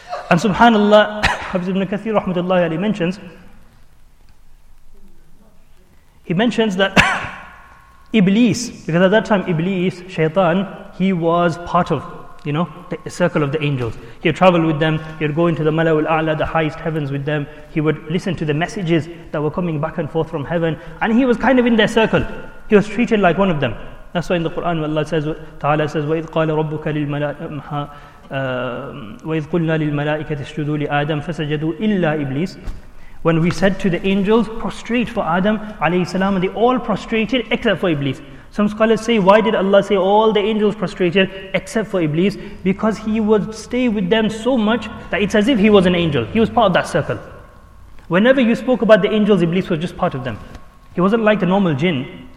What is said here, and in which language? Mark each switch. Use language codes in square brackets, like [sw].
[en] And subhanAllah, Hafiz ibn Kathir rahmatullahi alayhi mentions, he mentions that Iblis, because at that time Iblis, Shaitan, he was part of, you know, the circle of the angels. He would travel with them, he would go into the Malawul A'la, the highest heavens with them. He would listen to the messages that were coming back and forth from heaven. And he was kind of in their circle. He was treated like one of them. That's why in the Quran, Allah says, Ta'ala says, [ar] وَإِذْ قَالَ رَبُّكَ لِلْمَلَائِكَةِ وَإِذْ قُلْنَا لِلْمَلَائِكَةِ اسْجُدُوا لِآدَمْ فَسَجَدُوا إِلَّا إِبْلِيسَ. [en] When we said to the angels, prostrate for Adam alayhi salam, and they all prostrated except for Iblis. Some scholars say, why did Allah say all the angels prostrated except for Iblis? Because he would stay with them so much that it's as if he was an angel. He was part of that circle. Whenever you spoke about the angels, Iblis was just part of them. He wasn't like a normal jinn.